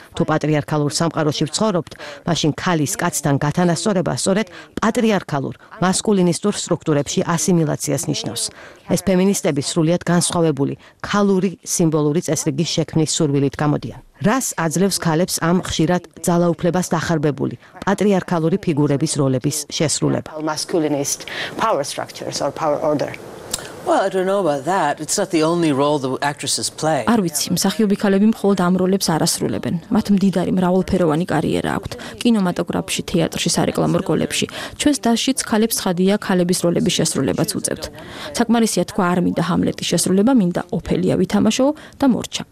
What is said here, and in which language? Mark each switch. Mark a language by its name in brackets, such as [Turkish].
[Georgian] თუ პატრიარქალურ სამყაროში ვცხოვრობთ, მაშინ ქალის კაცთან გათანასწორება სწორედ პატრიარქალურ, მასკულინისტურ სტრუქტურებში ასიმილაციას ნიშნავს. ეს ფემინისტები სრულიად განსხვავებული, ქალური სიმბოლური წესრიგის შექმნის სურვილით გამოდიან. რას აძლევს ქალებს ამ ხშირად ძალაუფლებას დახარბებული პატრიარქალური ფიგურების როლების შესრულება? [English] Masculinist power structures or power order. Well, I don't know about that. It's not the only role the actresses play. [Georgian] არ ვიცი, მსახიობი ქალები მხოლოდ ამ როლებს არ ასრულებენ. მათ მდიდარი მრავალფეროვანი კარიერა აქვთ. კინემატოგრაფში, თეატრში, სარეკლამო რგოლებში. ჩვენს დასშიც ქალებს ხადია ქალების როლების შესრულებაც უწევთ. საკმარისია თქვა, არ მინდა ჰამლეტის შესრულება, მინდა ოფელია ვითამაშო და მორჩა.